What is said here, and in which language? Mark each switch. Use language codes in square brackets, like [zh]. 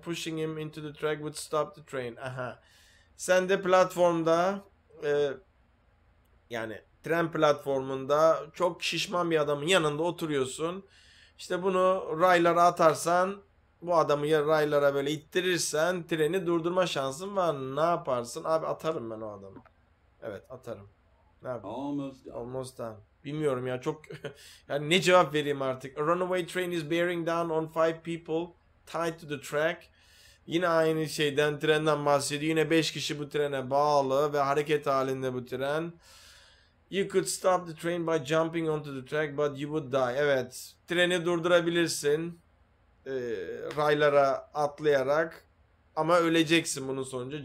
[en] Pushing him into the track would stop the train. [tr] Aha. Sen de platformda... yani... Tren platformunda çok şişman bir adamın yanında oturuyorsun. İşte bunu raylara atarsan, bu adamı ya raylara böyle ittirirsen treni durdurma şansın var. Ne yaparsın? Abi atarım ben o adamı. Evet, atarım. Ne yapayım? [en] Almost done. Almost done. [tr] Bilmiyorum ya, çok yani ne cevap vereyim artık? [en] A runaway train is bearing down on five people tied to the track. [tr] Yine aynı şeyden, trenden bahsediyor. Yine 5 kişi bu trene bağlı ve hareket halinde bu tren. [en] You could stop the train by jumping onto the track, but you would die. [tr] Evet, treni durdurabilirsin raylara atlayarak ama öleceksin bunun sonucu.